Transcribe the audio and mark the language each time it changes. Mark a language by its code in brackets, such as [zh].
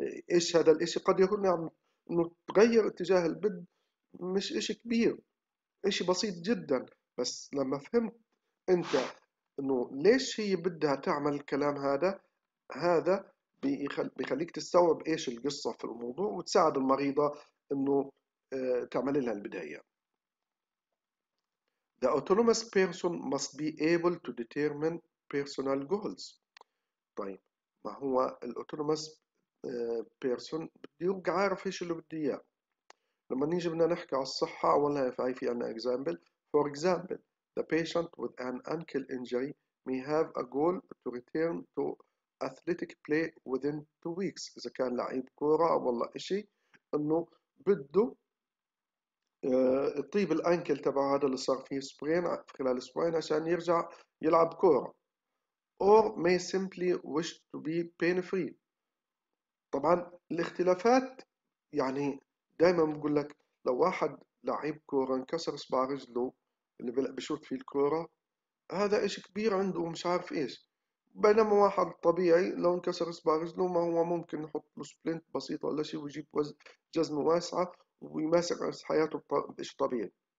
[ar] إيش هذا الإشي، قد يكون يعني إنه تغير اتجاه البد مش إشي كبير، إشي بسيط جدا، بس لما فهمت أنت إنه ليش هي بدها تعمل الكلام هذا بيخليك تستوعب ايش القصة في الموضوع، وتساعد المريضة انه تعمل لها البداية. [en] The autonomous person must be able to determine personal goals. [ar] طيب ما هو ال autonomous person بده يبقى عارف ايش اللي بده اياه. لما نيجي بدنا نحكي على الصحة، ولا في عندنا example. [en] For example, the patient with an ankle injury may have a goal to return to athletic play within 2 weeks. [ar] إذا كان لعيب كرة والله إشي إنه بده يطيب الأنكل تبع هذا اللي صار فيه سبرين في خلال أسبوعين عشان يرجع يلعب كرة. [en] Or may simply wish to be pain free. [ar] طبعا الاختلافات، يعني دائما بقول لك لو واحد لعيب كرة انكسر صباع رجله اللي بشوط فيه الكرة، هذا إشي كبير عنده ومش عارف إيش، بينما واحد طبيعي لو انكسر اصبع رجله ما هو ممكن يحط له سبلنت بسيطة ولا شيء ويجيب جزمة واسعة ويمسك حياته بشيء طبيعي.